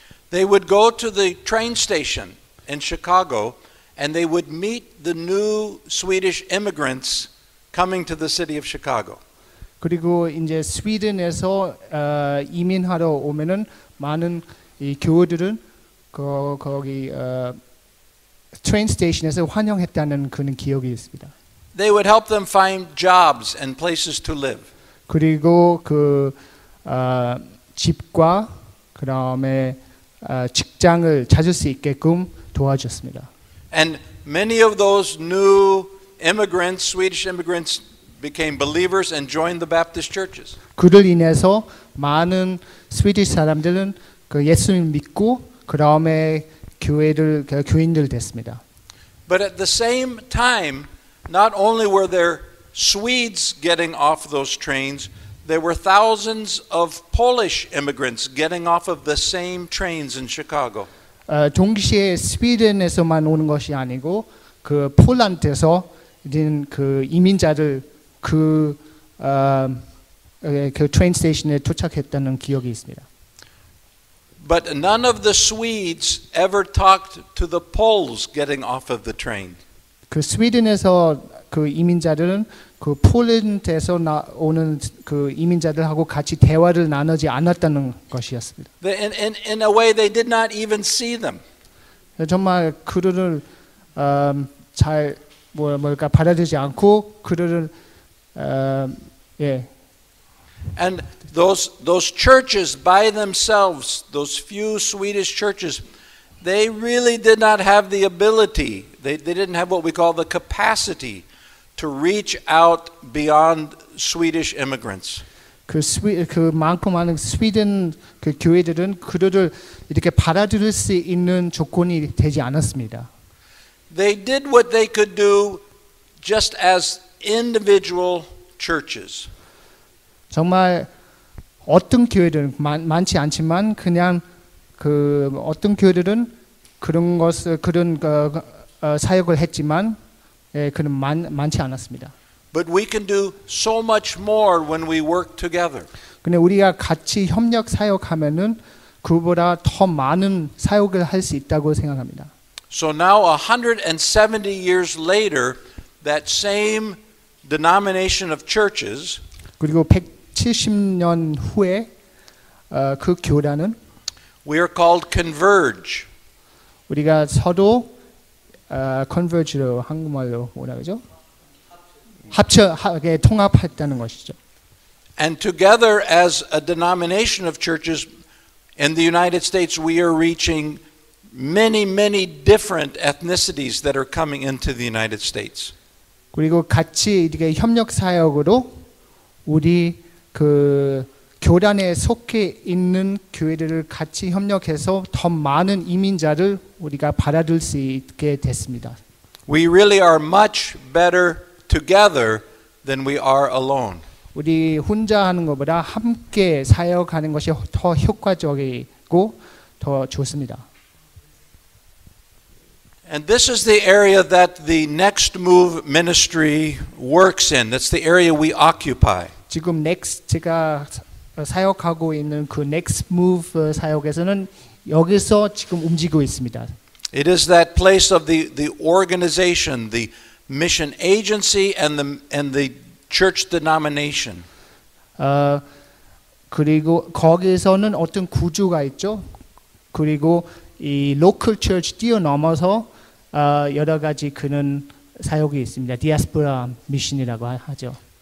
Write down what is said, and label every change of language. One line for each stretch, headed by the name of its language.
English: They would go to the train station in Chicago and they would meet the new Swedish immigrants coming to the city of Chicago.
Korean: 그리고 이제 스웨덴에서 이민하러 오면은 많은 이 교우들은 거기 트레인 스테이션에서 환영했다는 그런 기억이 있습니다.
English: They would help them find jobs and places to live.
Korean: 그리고 그 집과 그다음에 직장을 찾을 수 있게끔 도와줬습니다.
English: And many of those new immigrants, Swedish immigrants, became believers and joined the Baptist churches.
Korean: 그들 인해서 많은 스웨덴 사람들은 그 예수님 믿고 그다음에 교회를 교인들 됐습니다.
English: But at the same time, not only were there Swedes getting off those trains. There were thousands of Polish immigrants getting off of the same trains in Chicago.
Korean: 동시에 스웨덴에서만 오는 것이 아니고 그 폴란드에서 이런 그 이민자들 그 트레인 스테이션에 도착했다는 기억이 있습니다.
English: But none of the Swedes ever talked to the Poles getting off of the train.
Korean: 그 스웨덴에서 그 이민자들은 그 폴란드에서 오는 그 이민자들하고 같이 대화를 나누지 않았다는 것이었습니다.
English: In a way, they did not even see them.
Korean: 정말 그들을 잘 뭘까 받아들이지 않고 그들을 예.
English: And those churches by themselves, those few Swedish churches, they really did not have the ability. They didn't have what we call the capacity. To reach out beyond Swedish immigrants.
Korean: 그 많고 많은 스웨덴 그 교회들은 그들을 이렇게 받아들일 수 있는 조건이 되지 않았습니다. They did what they could do, just as individual churches. 정말 어떤 교회들은 많지 않지만 그냥 그 어떤 교회들은 그런 것을 그런 사역을 했지만. 예, 그는 많지 않았습니다.
English: But we can do so much more when we work together.
Korean: 근데 우리가 같이 협력 사역하면은 그보다 더 많은 사역을 할 수 있다고 생각합니다.
English: So now 170 years later, that same denomination of churches
Korean: 그리고 170년 후에 그 교단은
English: we are called Converge.
Korean: 우리가 서로 converge로 한국말로 뭐라 그러죠? 합쳐 통합했다는 것이죠.
English: And together as a denomination of churches in the United States, we are reaching many, many different ethnicities that are coming into the United States.
Korean: 그리고 같이 이렇게 협력 사역으로 우리 그 교단에 속해 있는 교회들을 같이 협력해서 더 많은 이민자를 우리가 받아들일 수 있게 됐습니다.
English: We really are much better together than we are alone.
Korean: 우리 혼자 하는 것보다 함께 사역하는 것이 더 효과적이고 더 좋습니다.
English: And this is the area that the Next Move Ministry works in. That's the area we occupy.
Korean: 지금 Next 제가 사역하고 있는 그 Next Move 사역에서는 여기서 지금 움직이고 있습니다.
English: It is that place of the organization, the mission agency, and the church denomination.
Korean: 그리고 거기에서는 어떤 구조가 있죠. 그리고 이 local church 뛰어넘어서 여러 가지 그런 사역이 있습니다. 디아스포라 미션이라고 하죠.